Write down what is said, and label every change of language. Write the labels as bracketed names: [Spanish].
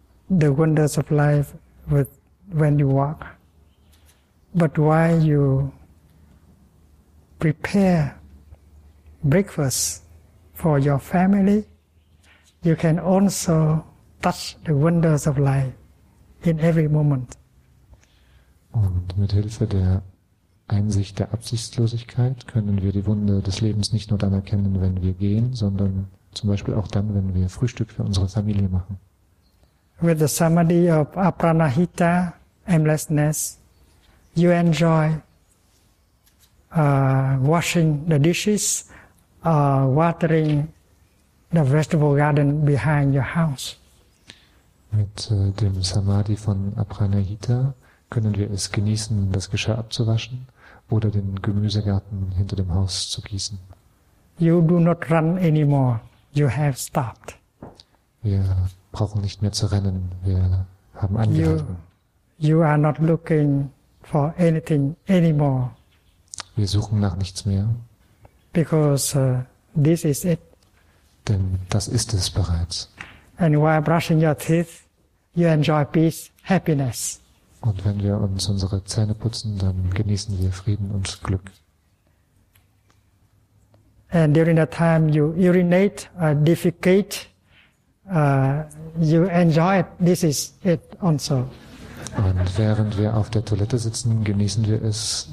[English] the wonders of life with when you walk, but why you prepare breakfast for your family, you can also touch the wonders of life in every moment. [German] Und mit Hilfe der Einsicht der Absichtslosigkeit können wir die Wunder des Lebens nicht nur dann erkennen, wenn wir gehen, sondern zum Beispiel auch dann, wenn wir Frühstück für unsere Familie machen. [English] With the samadhi of apranahita, aimlessness, you enjoy washing the dishes, watering the vegetable garden behind your house. [German] Mit dem Samadhi von Apranahita können wir es genießen, das Geschirr abzuwaschen oder den Gemüsegarten hinter dem Haus zu gießen. [English] You do not run anymore. You have stopped. [German] Wir brauchen nicht mehr zu rennen. Wir haben angehalten. [English] You are not looking for anything anymore. [German] Wir suchen nach nichts mehr. [English] Because this is it. [German] Denn das ist es bereits. [English] And while brushing your teeth, you enjoy peace, happiness. [German] Und wenn wir uns unsere Zähne putzen, dann genießen wir Frieden und Glück. [English] And during the time you urinate, defecate, you enjoy it. This is it also. [German] Und während wir auf der Toilette sitzen, genießen wir es.